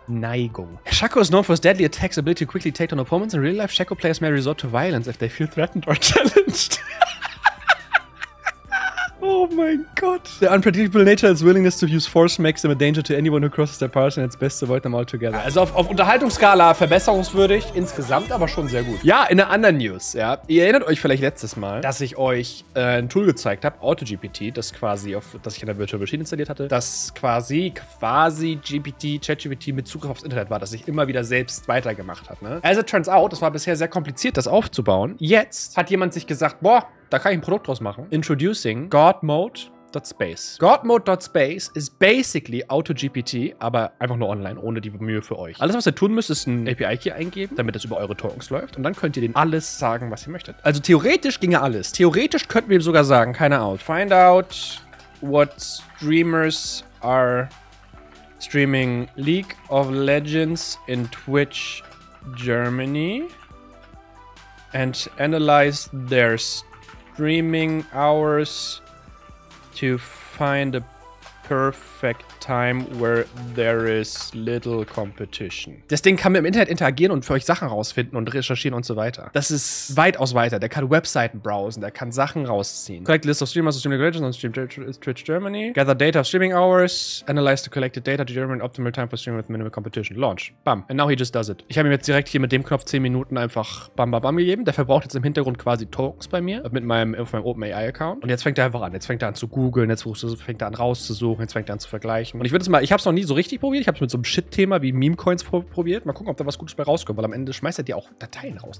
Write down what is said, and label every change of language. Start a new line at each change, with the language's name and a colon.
English: Neigung. Shaco is known for his deadly attacks, ability to quickly take down opponents. In real life, Shaco players may resort to violence if they feel threatened or challenged.
German: Oh mein Gott.
English: The unpredictable nature and his willingness to use force makes them a danger to anyone who crosses their path, and it's best to avoid them altogether.
German: Also auf Unterhaltungsskala verbesserungswürdig, insgesamt aber schon sehr gut. Ja, in einer anderen News, ja. Ihr erinnert euch vielleicht letztes Mal, dass ich euch ein Tool gezeigt habe, AutoGPT, das quasi auf, das ich in der Virtual Machine installiert hatte, das quasi GPT, ChatGPT mit Zugriff aufs Internet war, das ich immer wieder selbst weitergemacht habe, ne?
English: As it turns out,
German: es war bisher sehr kompliziert, das aufzubauen. Jetzt hat jemand sich gesagt, boah, da kann ich ein Produkt draus machen. Introducing GodMode.space. GodMode.space ist basically AutoGPT, aber einfach nur online, ohne die Mühe für euch. Alles, was ihr tun müsst, ist ein API-Key eingeben, damit das über eure Tokens läuft. Und dann könnt ihr denen alles sagen, was ihr möchtet. Also theoretisch ginge alles. Theoretisch könnten wir ihm sogar sagen, keine Ahnung.
English: Find out what streamers are streaming League of Legends in Twitch Germany and analyze their streaming hours to find a perfect time where there is little competition.
German: Das Ding kann mit dem Internet interagieren und für euch Sachen rausfinden und recherchieren und so weiter. Das ist weitaus weiter. Der kann Webseiten browsen, der kann Sachen rausziehen.
English: Collect list of streamers of Streaming Legends on Twitch Germany. Gather data of streaming hours. Analyze the collected data to determine optimal time for streaming with minimal competition. Launch. Bam. And now he just does it.
German: Ich habe ihm jetzt direkt hier mit dem Knopf 10 Minuten einfach bam bam bam gegeben. Der verbraucht jetzt im Hintergrund quasi Tokens bei mir mit meinem OpenAI Account. Und jetzt fängt er einfach an. Jetzt fängt er an zu googeln. Jetzt fängt er an rauszusuchen. Jetzt fängt er an zu vergleichen. Und ich würde es mal, ich habe es noch nie so richtig probiert. Ich habe es mit so einem Shit-Thema wie Meme-Coins probiert. Mal gucken, ob da was Gutes bei rauskommt, weil am Ende schmeißt er dir auch Dateien raus.